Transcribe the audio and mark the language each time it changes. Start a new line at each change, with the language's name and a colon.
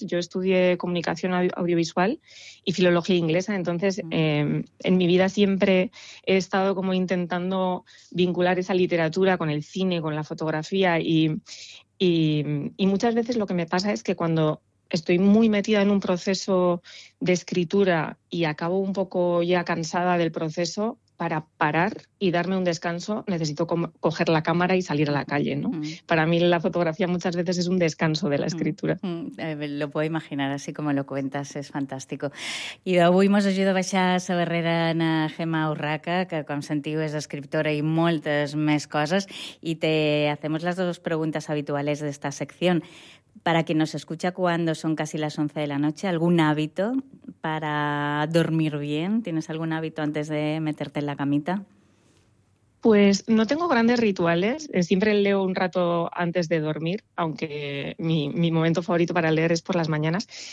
Spanish: Yo estudié comunicación audiovisual y filología inglesa, entonces en mi vida siempre he estado como intentando vincular esa literatura con el cine, con la fotografía, y muchas veces lo que me pasa es que cuando estoy muy metida en un proceso de escritura y acabo un poco ya cansada del proceso, para parar y darme un descanso necesito coger la cámara y salir a la calle, ¿no? Para mí la fotografía muchas veces es un descanso de la escritura. Lo puedo imaginar, así como lo cuentas, es fantástico.
Catalan: I d'avui mos ajuda a baixar la barrera a Gemma Urraca, que com sentiu és escriptora i moltes més coses, i
Spanish: te hacemos las dos preguntas habituales de esta sección. Para quien nos escucha cuando son casi las 11 de la noche, ¿algún hábito para dormir bien? ¿Tienes algún hábito antes de meterte en la camita? Pues no tengo grandes rituales. Siempre leo un rato antes de dormir, aunque mi momento favorito para leer es por las mañanas.